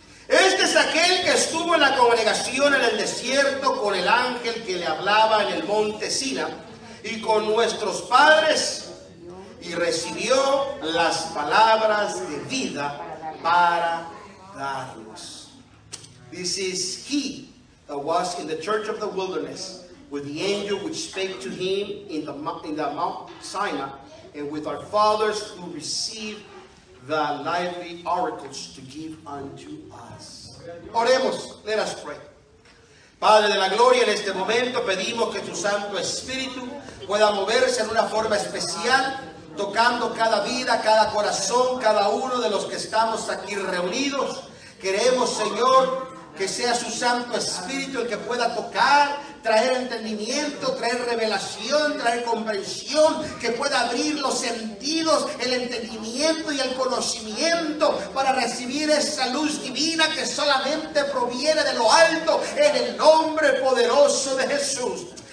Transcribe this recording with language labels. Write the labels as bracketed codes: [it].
[es] Este es aquel que estuvo en la congregación en el desierto con el ángel que le hablaba en el monte Sina y con nuestros padres y recibió las palabras de vida para darlos. [en] This is he that was in the church of the wilderness with the angel which spake to him in the Mount Sinai. And with our fathers who receive the lively oracles to give unto us. [es] Oremos, [en] let us pray. [es] Padre de la gloria, en este momento pedimos que tu Santo Espíritu pueda moverse en una forma especial, tocando cada vida, cada corazón, cada uno de los que estamos aquí reunidos. Queremos, Señor, que sea su Santo Espíritu el que pueda tocar, traer entendimiento, traer revelación, traer comprensión, que pueda abrir los sentidos, el entendimiento y el conocimiento para recibir esa luz divina que solamente proviene de lo alto en el nombre poderoso de Jesús.